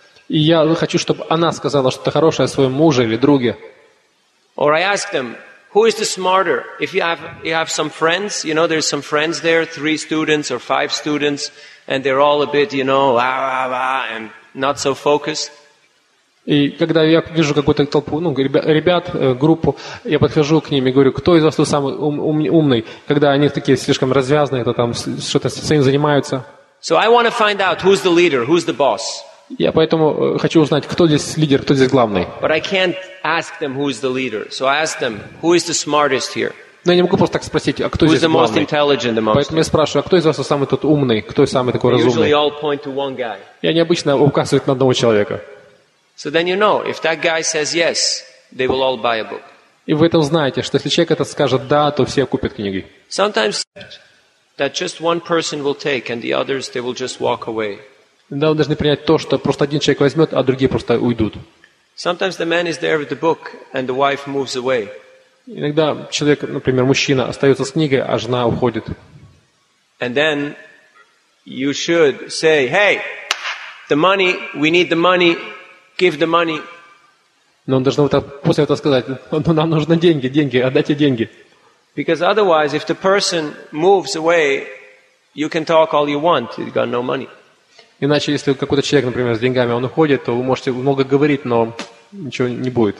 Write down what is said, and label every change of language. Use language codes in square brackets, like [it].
[ru] И я хочу, чтобы она сказала что-то хорошее о своем муже или друге. [en] Or I ask them, who is the smarter? If you have some friends, you know, there's some friends there, 3 students or 5 students, and they're all a bit, you know, blah, blah, blah, and not so focused. [ru] И когда я вижу какую-то толпу, ну, ребят, группу, я подхожу к ним и говорю, кто из вас тут самый умный, когда они такие слишком развязные, кто там что-то с этим занимаются. [en] So I want to find out who's the leader, who's the boss. [ru] Я поэтому хочу узнать, кто здесь лидер, кто здесь главный. [en] But I can't ask them who's the leader. So I ask them, who is the smartest here? [ru] Но я не могу просто так спросить, а кто [en] who's [ru] здесь [en] the [ru] главный? [en] Most intelligent amongst [ru] поэтому я спрашиваю, а кто из вас самый тот умный, кто самый такой разумный? [en] Usually all point to one guy. [ru] И они обычно указывают на одного человека. [en] So then you know, if that guy says yes, they will all buy a book. [ru] И вы это знаете, что если человек этот скажет да, то все купят книги. [en] Sometimes that just one person will take, and the others they will just walk away. [ru] Иногда вы должны принять то, что просто один человек возьмет, а другие просто уйдут. [en] Sometimes the man is there with the book, and the wife moves away. [ru] Иногда человек, например, мужчина, остается с книгой, а жена уходит. [en] And then you should say, hey, the money, we need the money. Give the money. [ru] Но он должен вот после этого сказать, ну нам нужны деньги, деньги, отдайте деньги. [en] Because otherwise, if the person moves away, you can talk all you want, you've got no money. [ru] Иначе, если какой-то человек, например, с деньгами, он уходит, то вы можете много говорить, но ничего не будет.